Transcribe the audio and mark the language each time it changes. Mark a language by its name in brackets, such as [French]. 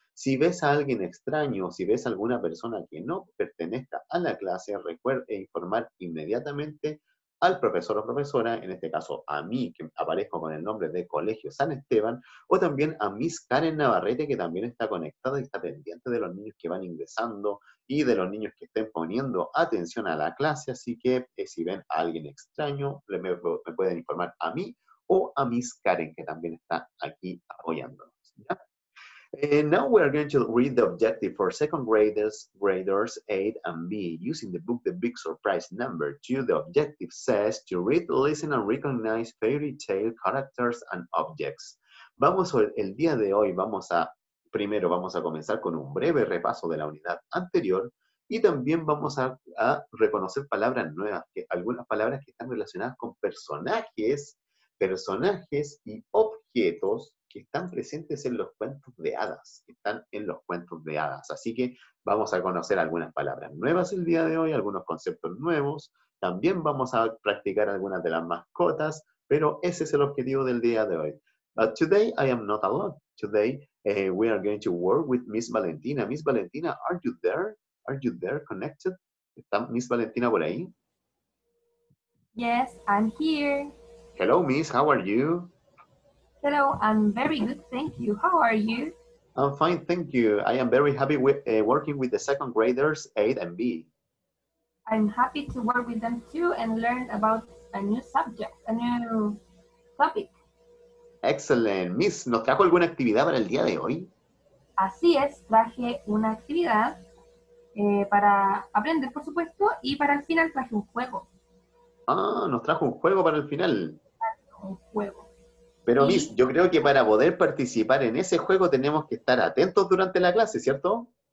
[Spanish] Si ves a alguien extraño, si ves a alguna persona que no pertenezca a la clase, recuerda informar inmediatamente al profesor o profesora, en este caso a mí, que aparezco con el nombre de Colegio San Esteban, o también a Miss Karen Navarrete, que también está conectada y está pendiente de los niños que van ingresando y de los niños que estén poniendo atención a la clase. Así que si ven a alguien extraño, me pueden informar a mí o a Miss Karen, que también está aquí apoyándonos. ¿Ya? [English] And now we are going to read the objective for second graders A and B using the book The Big Surprise Number 2. The objective says to read, listen, and recognize fairy tale characters and objects. [Spanish] Vamos el día de hoy, vamos a comenzar con un breve repaso de la unidad anterior y también vamos a reconocer palabras nuevas, algunas palabras que están relacionadas con personajes y objetos que están presentes en los cuentos de hadas, que están en los cuentos de hadas. Así que vamos a conocer algunas palabras nuevas el día de hoy, algunos conceptos nuevos. También vamos a practicar algunas de las mascotas, pero ese es el objetivo del día de hoy. [English] Today I am not alone. Today we are going to work with Miss Valentina. Miss Valentina, are you there? Are you there connected? [Spanish] ¿Está Miss Valentina por ahí? [English] Yes, I'm here. Hello, Miss. How are you? Hello, I'm very good. Thank you. How are you? I'm fine, thank you. I am very happy with working with the second graders, 8 and B. I'm happy to work with them too and learn about a new subject, a new topic. Excellent. [Spanish] Miss, ¿nos trajo alguna actividad para el día de hoy? Así es, traje una actividad para aprender, por supuesto, y para el final traje un juego. Ah, nos trajo un juego para el final. Un juego. Pero, Miss, yo creo que para poder participar en ese juego tenemos que estar atentos durante la clase, ¿cierto?